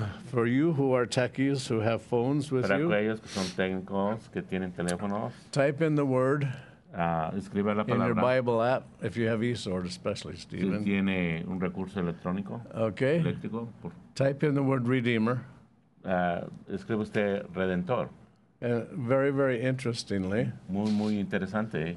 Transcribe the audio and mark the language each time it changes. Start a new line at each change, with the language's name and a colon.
English: For you who are techies who have phones with
Spanish: para
English: you.
Spanish: Para aquellos que son técnicos que tienen teléfonos.
English: Type in the word.
Spanish: Escribe la palabra.
English: In your Bible app, if you have eSword, especially, Stephen.
Spanish: Si tiene un recurso electrónico.
English: Okay.
Spanish: Eléctrico.
English: Type in the word Redeemer.
Spanish: Escribe usted Redentor.
English: Very, very interestingly.
Spanish: Muy, muy interesante.